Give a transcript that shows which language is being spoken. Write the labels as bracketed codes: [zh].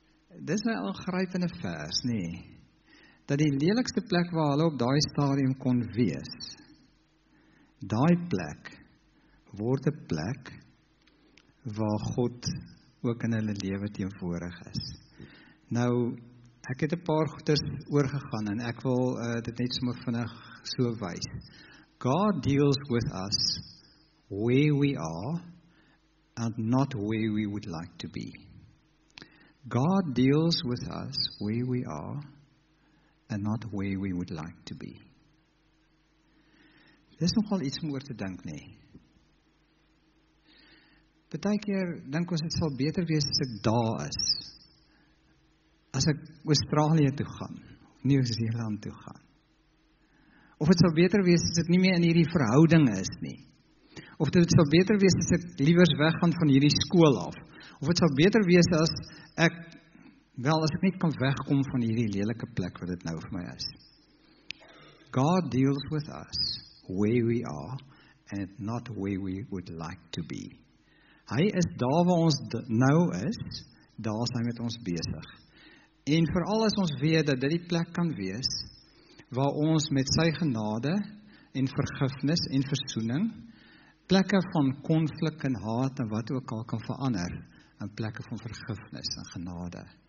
[af] Dit is 'n aangrypende vers, nie? Dat die lelikste plek waar hulle op daai stadium kon wees, daai plek word 'n plek waar God ook in hulle lewe teenwoordig is. Nou, ek het 'n paar goeders oorgegaan en ek wil dit net sommer vinnig so wys. [en] God deals with us where we are and not where we would like to be. God deals with us where we are and not where we would like to be. [af] Dit is nogal iets om oor te dink, nee. Partykeer dink ons dit sal beter wees as ek daar is. As ek Australië toe gaan, Nieu-Seeland toe gaan. Of het sal beter wees as ek nie meer in hierdie verhouding is nie. Of het sal beter wees as ek liewers weggaan van hierdie skool af. Of het sal beter wees as ek, wel, as ek nie kan wegkom van hierdie lelike plek wat dit nou vir my is. [en] God deals with us where we are and not where we would like to be. [af] Hy is daar waar ons nou is, daar is hy met ons besig. En vooral as ons weet dat dit die plek kan wees, waar ons met sy genade en vergifnis en versoening, plekke van konflik en haat en wat ook al kan verander, in plekke van vergifnis en genade.